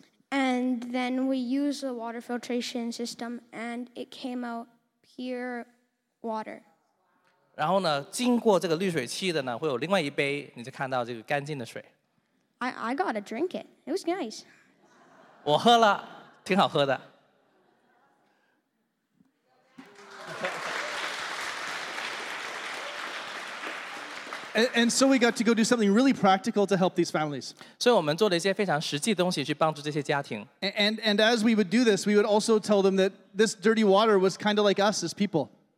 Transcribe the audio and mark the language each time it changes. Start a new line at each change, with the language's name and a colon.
English: And then we used the water filtration system and it came out pure water.
Chinese: 然后呢，经过这个滤水器的呢，会有另外一杯，你就看到这个干净的水。
English: I got to drink it. It was nice.
Chinese: 我喝了，挺好喝的。
English: And so we got to go do something really practical to help these families.
Chinese: 所以我们做了一些非常实际的东西去帮助这些家庭。
English: And as we would do this, we would also tell them that this dirty water was kind of like us as people.